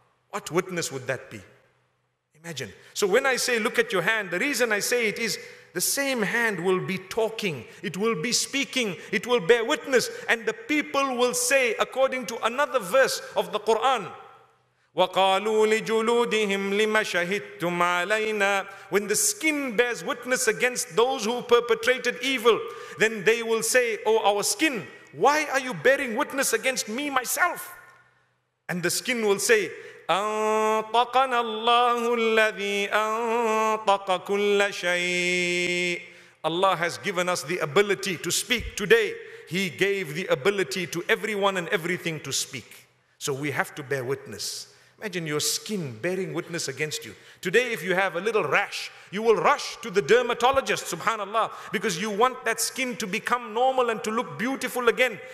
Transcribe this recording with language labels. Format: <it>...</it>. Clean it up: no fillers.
<en>What witness would that be? Imagine. So when I say, look at your hand, the reason I say it is, the same hand will be talking, it will be speaking, it will bear witness, and the people will say, according to another verse of the Quran,</en> <ar>وَقَالُوا لِجُلُودِهِمْ لِمَ شَهِدْتُمْ عَلَيْنَا.</ar> <en>When the skin bears witness against those who perpetrated evil, then they will say, oh, our skin, why are you bearing witness against me myself? And the skin will say,</en> <ar>أَنطَقَنَا اللَّهُ الَّذِي أَنطَقَ كُلَّ شَيْءٍ.</ar> <en>Allah has given us the ability to speak today. He gave the ability to everyone and everything to speak. So we have to bear witness. Imagine your skin bearing witness against you. Today, if you have a little rash, you will rush to the dermatologist, subhanAllah, because you want that skin to become normal and to look beautiful again.</en>